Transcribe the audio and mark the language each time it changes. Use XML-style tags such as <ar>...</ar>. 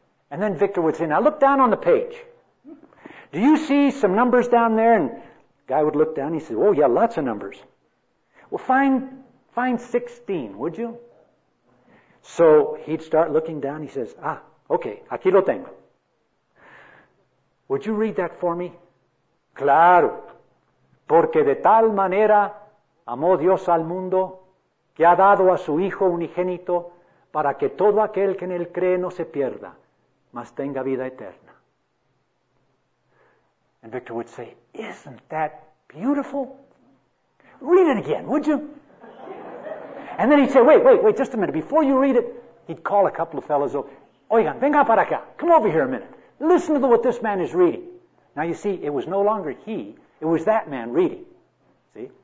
<en>And then Victor would say, now look down on the page. Do you see some numbers down there? And the guy would look down, and he said, oh yeah, lots of numbers. Well, find 16, would you? So he'd start looking down, he says, okay,</en> <es>aquí lo tengo.</es> <en>Would you read that for me?</en> <es>Claro, porque de tal manera amó Dios al mundo que ha dado a su Hijo unigénito para que todo aquel que en él cree no se pierda, mas tenga vida eterna.</es> <en>And Victor would say, isn't that beautiful? Read it again, would you? And then he'd say, wait, just a minute. Before you read it, he'd call a couple of fellows over.</en> <es>Oigan, venga para acá.</es> <en>Come over here a minute. Listen to what this man is reading. Now you see, it was no longer he, it was that man reading. See?</en>